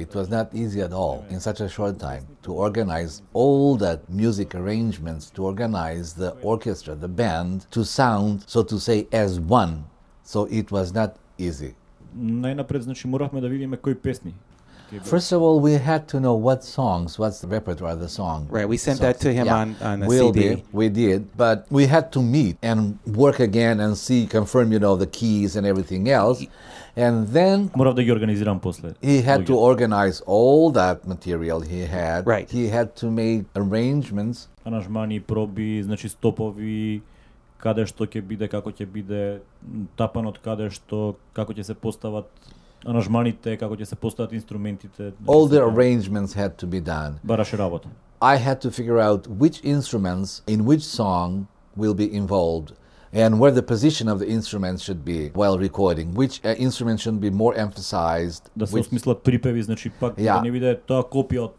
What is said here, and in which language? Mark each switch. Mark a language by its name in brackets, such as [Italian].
[English] It was not easy at all in such a short time to organize all the music arrangements, to organize the orchestra, the band, to sound, so to say, as one. So it was not easy. [Macedonian] Најнапред, значи, моравме да видиме кои песни. [English] First of all, we had to know what songs, what's the repertoire of the song. Right, we sent that to him on a we'll CD. We did, but we had to meet and work again and see, confirm, you know, the keys and everything else. And then he had to organize all that material he had. Right. He had to make arrangements. [Macedonian] Аранжмани, проби, значи стопови, каде што ќе биде, како ќе биде, тапанот каде што, како ќе се постават. Аранжманите, како ќе се постават инструментите. [English] All the arrangements had to be done. [Macedonian] Бараше работа. [English] I had to figure out which instruments in which song will be involved. and where the position of the instruments should be while recording, which instrument should be more emphasized. [Macedonian] Da se osmisla pripevi, znači pak da ne vide ta kopija.